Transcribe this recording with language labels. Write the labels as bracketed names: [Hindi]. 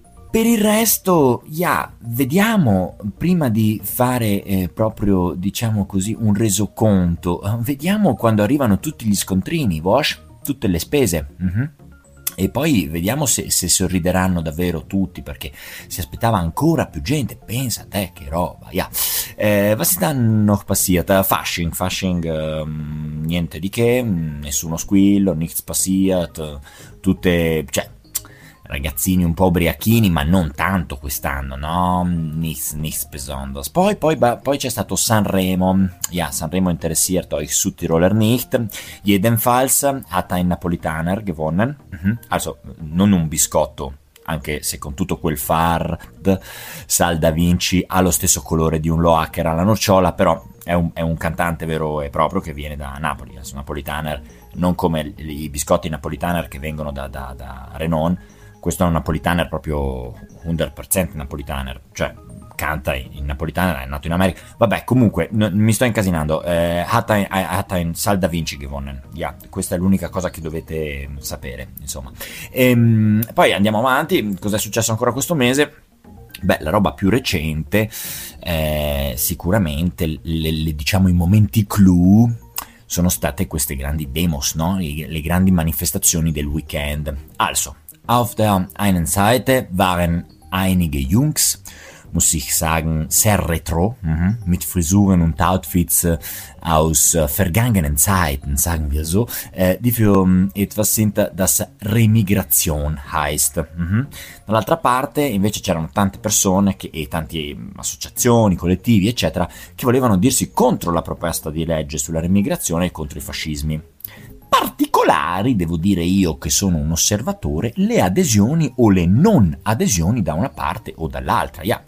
[Italian] Per il resto, vediamo, prima di fare proprio, diciamo così, un resoconto, vediamo quando arrivano tutti gli scontrini, tutte le spese. E poi vediamo se sorrideranno davvero tutti, perché si aspettava ancora più gente. Pensa a te, che roba, [German] was ist dann noch passiert? [Italian] Fasching, niente di che, nessuno squillo, [German] nichts passiert, [Italian] tutte, cioè, ragazzini un po' ubriachini, ma non tanto quest'anno, no? [German] Nichts besonders. [Italian] Poi c'è stato Sanremo. [German] Sanremo interessiert euch Südtiroler nicht. Jedenfalls hat ein Napolitaner gewonnen. [Italian] Also, non un biscotto, anche se con tutto quel fard, Sal da Vinci ha lo stesso colore di un Loacker alla nocciola, però è un cantante vero e proprio che viene da Napoli. Adesso, Napolitaner, non come i biscotti Napolitaner che vengono da Renon. Questo è un Napolitaner proprio 100% Napolitaner, cioè canta in Napolitaner, è nato in America. Vabbè, comunque, mi sto incasinando. [German] Hat ein Sal da Vinci gewonnen. [Italian] Questa è l'unica cosa che dovete sapere, insomma. Poi andiamo avanti. Cos'è successo ancora questo mese? Beh, la roba più recente, sicuramente, diciamo, i momenti clou sono state queste grandi demos, no? Le grandi manifestazioni del weekend. [German] Also, auf der einen Seite waren einige Jungs, muss ich sagen, sehr retro, mit Frisuren und Outfits aus vergangenen Zeiten, sagen wir so, die für etwas sind, das Remigration heißt. [Italian] Dall'altra parte invece c'erano tante persone e tanti associazioni, collettivi, eccetera, che volevano dirsi contro la proposta di legge sulla remigrazione e contro i fascismi. Particolari, devo dire io che sono un osservatore, le adesioni o le non adesioni da una parte o dall'altra.